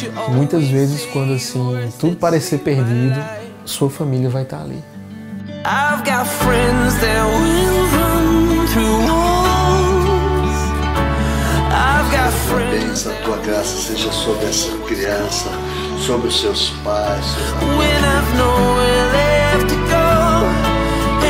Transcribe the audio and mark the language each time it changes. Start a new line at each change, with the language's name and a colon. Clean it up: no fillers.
Portuguese: Muitas vezes, quando assim tudo parecer perdido, sua família vai estar ali.
English: I've got friends that will run through walls. I've got friends.
Portuguese: Deus, a tua graça seja sobre essa criança, sobre os seus pais.
English: When I've nowhere left to go.